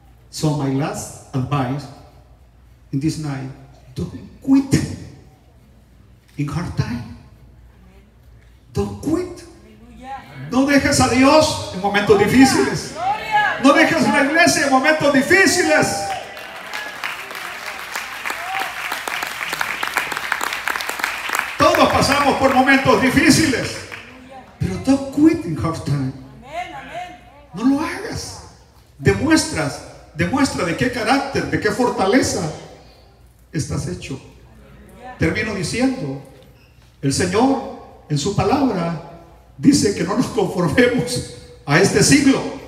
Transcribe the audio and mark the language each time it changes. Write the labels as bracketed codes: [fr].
[en] So my last advice in this night, don't quit in hard time. Don't quit. [es] No dejes a Dios en momentos difíciles. No dejes la iglesia en momentos difíciles. Todos pasamos por momentos difíciles. Pero [en] don't quit in hard time. [es] No lo hagas. Demuestra de qué carácter, de qué fortaleza estás hecho. Termino diciendo, el Señor en su palabra dice que no nos conformemos a este siglo.